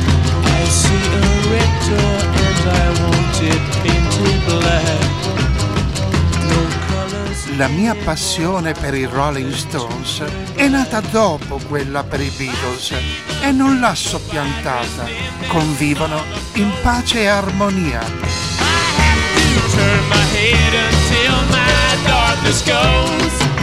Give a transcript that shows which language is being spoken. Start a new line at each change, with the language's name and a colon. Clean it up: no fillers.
English: I see a red door and I want it painted black. No colors.
Italian: La mia passione per i Rolling Stones è nata dopo quella per i Beatles e non l'ha soppiantata. Convivono in pace e armonia.
English: I have to turn my head until my darkness goes.